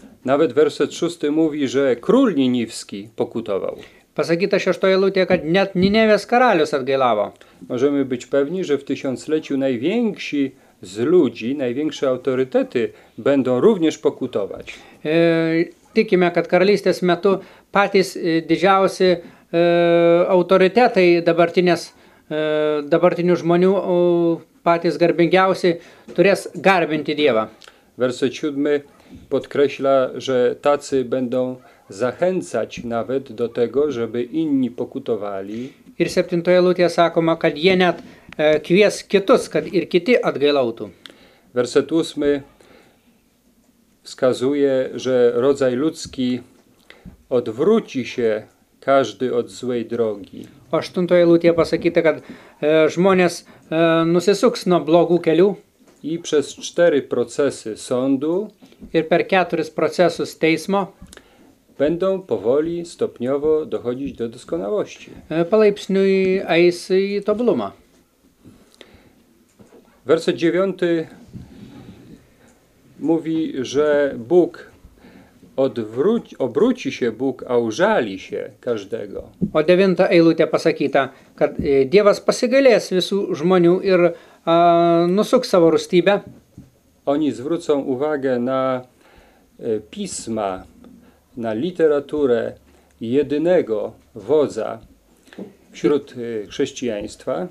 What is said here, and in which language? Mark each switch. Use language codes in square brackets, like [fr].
[pl] Nawet werset 6 mówi, że król Niniwski pokutował. [lt] Pasakyta šeštoje lūtėje, kad net Ninevės karalius atgailavo. [pl] Możemy być pewni, że w tysiącleciu najwięksi z ludzi, największe autorytety będą również pokutować. [lt] Tikime, kad karalystės metu patys didžiausi autorytetai dabartinių žmonių, patys garbingiausi, turės garbinti Dievą. [pl] Verset 7 podkreśla, że tacy będą zachęcać nawet do tego, żeby inni pokutowali. [lt] Ir 7 eilutėje sakoma, kad jie net kvies kitus, kad ir kiti atgailautų. [pl] Verset 8 wskazuje, że rodzaj ludzki odwróci się każdy od złej drogi. [lt] 8 eilutėje pasakyta, kad žmonės nusisuks nuo blogų kelių. [pl] I przez 4 procesy sądu. [lt] Ir per 4 procesus teismo. [pl] Będą powoli, stopniowo dochodzić do doskonałości. [lt] Palaipsniui eis į tobulumą. [pl] Werset 9 mówi, że Bóg obróci się Bóg, a użali się każdego. [lt] O 9 eilutė pasakyta, kad Dievas pasigailės visų žmonių ir nusuks savo rūstybę. [pl] Oni zwrócą uwagę na pisma, na literaturę jedynego wodza wśród chrześcijaństwa.